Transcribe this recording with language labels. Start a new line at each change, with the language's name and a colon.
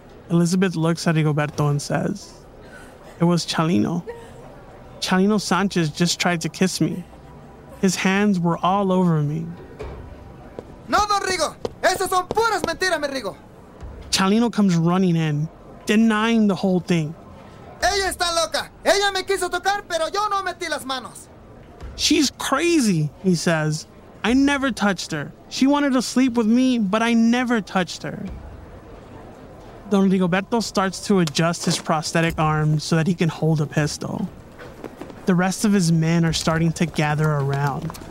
English: Elizabeth looks at Rigoberto and says, it was Chalino. Chalino Sanchez just tried to kiss me. His hands were all over me.
Spanish: No, Don Rigo. Esas son puras mentiras, mi Rigo.
English: Chalino comes running in, denying the whole thing.
Spanish: Ella está loca. Ella me quiso tocar, pero yo no metí las manos.
English: She's crazy, he says. I never touched her. She wanted to sleep with me, but I never touched her. Don Rigoberto starts to adjust his prosthetic arm so that he can hold a pistol. The rest of his men are starting to gather around.